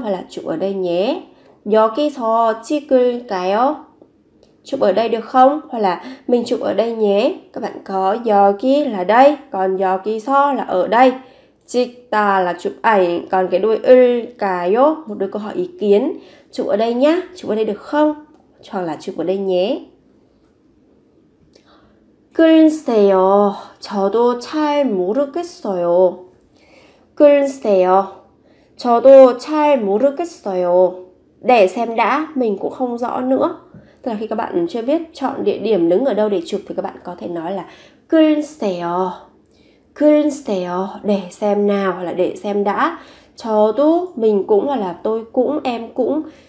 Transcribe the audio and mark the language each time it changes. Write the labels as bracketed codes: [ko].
[vi] Hoặc là chụp ở đây nhé. [ko] 여기서 찍을까요? [vi] Chụp ở đây được không? Hoặc là mình chụp ở đây nhé. Các bạn có 여기 là đây, còn 여기서 là ở đây. 찍다 là chụp ảnh, còn cái đuôi 을까요? Một đứa câu hỏi ý kiến. Chụp ở đây nhá, chụp ở đây được không? Hoặc là chụp ở đây nhé. [ko] 글쎄요, 저도 잘 모르겠어요. 글쎄요, 저도 잘 모르겠어요. [vi] Để xem đã, mình cũng không rõ nữa. Tức là khi các bạn chưa biết chọn địa điểm đứng ở đâu để chụp thì các bạn có thể nói là [ko] 글쎄요, 글쎄요, [vi] để xem nào hoặc là để xem đã. 저도, mình cũng hoặc là tôi cũng, em cũng.